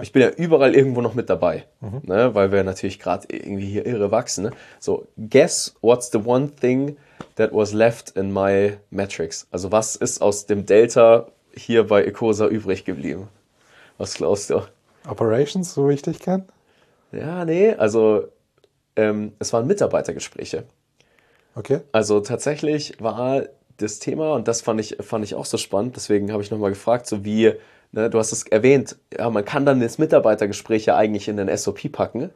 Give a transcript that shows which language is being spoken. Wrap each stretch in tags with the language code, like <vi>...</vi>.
<de>Ich bin ja überall irgendwo noch mit dabei, ne, weil wir natürlich gerade irgendwie hier irre wachsen. Ne?</de> <en>So, guess what's the one thing that was left in my metrics?</en> <de>Also was ist aus dem Delta hier bei Ecosa übrig geblieben? Was glaubst du? Operations, so wie ich dich kenne? Ja, nee, also es waren Mitarbeitergespräche. Okay. Also tatsächlich war das Thema, und das fand ich auch so spannend, deswegen habe ich nochmal gefragt, so wie, ne, du hast es erwähnt, ja, man kann dann das Mitarbeitergespräch ja eigentlich in den SOP packen.</de>